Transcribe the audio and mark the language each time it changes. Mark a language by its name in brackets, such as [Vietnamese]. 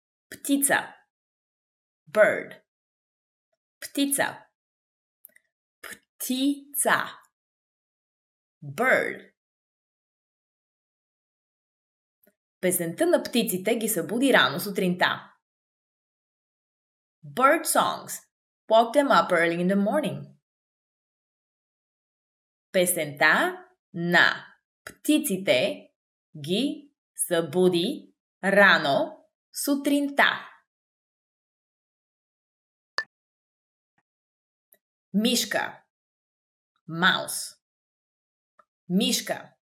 [Bulgarian] Птица. [English] Bird. [Bulgarian] Птица. Птица. [English] Bird. [Bulgarian] Песента на птиците ги събуди рано сутринта. [English] Bird songs woke them up early in the morning. [Bulgarian] Песента на птиците ги събуди рано сутринта. Мишка. [English] Маус. [Bulgarian] Мишка.